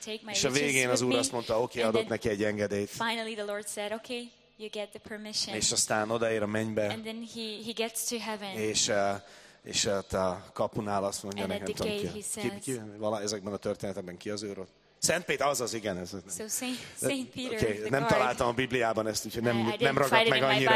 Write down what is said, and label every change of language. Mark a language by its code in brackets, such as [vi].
[hu] És a végén az Úr azt mondta, oké, okay, adott neki egy engedélyt. [en] Finally the Lord said, okay, you get the permission. [hu] És aztán odaér a mennybe, [en] and then he gets to heaven. [hu] És ott a kapunál azt mondja, [en] and [hu] nekem, [en] gate, [hu] ki vala, ezekben a történetekben ki az Úr? Szent Péter, az igen, ez. [en] So Saint Peter, [hu] okay, nem találtam a Bibliában ezt, úgyhogy nem ragadt meg annyira.